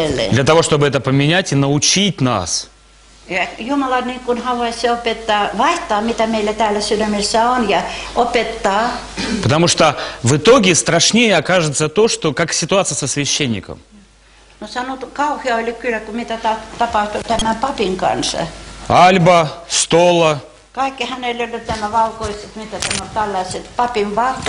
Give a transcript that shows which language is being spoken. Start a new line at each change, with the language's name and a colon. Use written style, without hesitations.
Russian: Для того, чтобы это поменять и научить нас.
Finnish: Jumala niin kuin haluaisi opettaa, vaihtaa, mitä meillä täällä sydämessä on, ja opettaa.
Russian: Потому что в итоге страшнее окажется то, что как ситуация со священником.
Finnish: No sanottu, kauhea oli kyllä, kun mitä tapahtui tämän papin kanssa.
Latin: Alba, stola.
Finnish: Kaikki hänellä oli tämä valkoiset, mitä tämä on tällaiset, papin vaatteet.